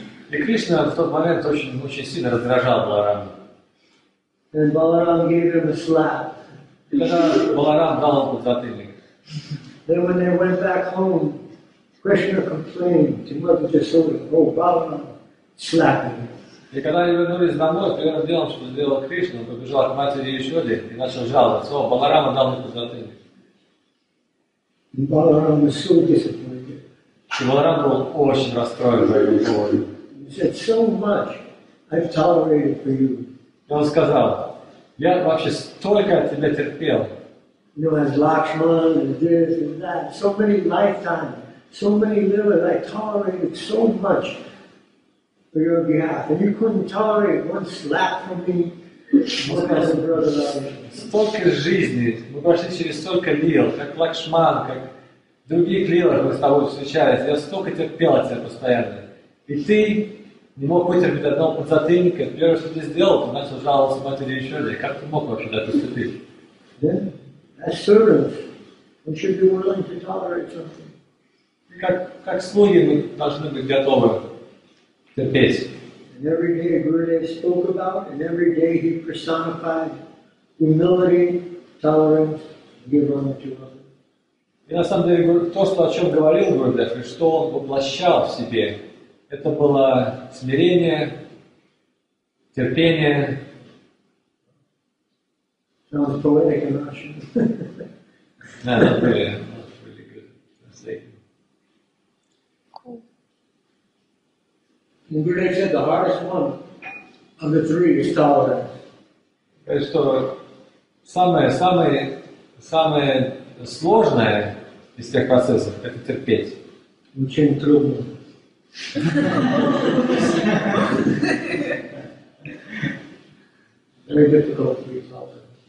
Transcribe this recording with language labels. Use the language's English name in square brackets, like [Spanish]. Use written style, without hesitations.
[Russian] И Кришна в тот момент очень, очень сильно раздражал Баларама. [English] And Balaram gave him a slap. [Russian] И тогда Баларам дал ему подзатыльник. [English] Then when they went back home, Krishna complained to Mother Yashoda, "Oh, Balaram, slapping." [Russian] И когда они вернулись домой, первым делом, что сделал Кришна, он побежал к матери Яшоде и начал жаловаться. О, Баларама дал мне подзатыльник. [English] И Баларам was so disappointed. [Russian] И Баларам был очень расстроен за его поводу. [English] He said, "So much I've tolerated for you." [Russian] И он сказал, "Я вообще столько от тебя терпел." [English] You know, as Lakshman and this and that, so many lifetimes, so many lives, I tolerated so much for your behalf, and you couldn't tolerate one slap from me. [Russian] Столько жизней, мы прошли через столько лил, как Лакшман, как других лилах мы с тобой встречались. Я столько терпел от тебя постоянно. И ты не мог вытерпеть одного подзатыльника. Первое, что ты сделал, ты начал жаловаться матери еще раз. Как ты мог вообще так поступить? [English] Yeah. As servants, we should be willing to tolerate something. [Russian] Как слуги мы должны быть готовы терпеть. [English] And every day Gurudev spoke about, and every day he personified humility, tolerance, give honor to others. [Russian] И на самом деле то, что о чем говорил Гурудев, и что он воплощал в себе, это было смирение, терпение. [English] Sounds poetic and rational. No, not really. That's really good. That's it. Cool. Gurudev said the hardest one of the three is tolerance. [Russian] Это что самое сложное из тех процессов – это терпеть. Очень трудно. [English] Very difficult to be tolerant.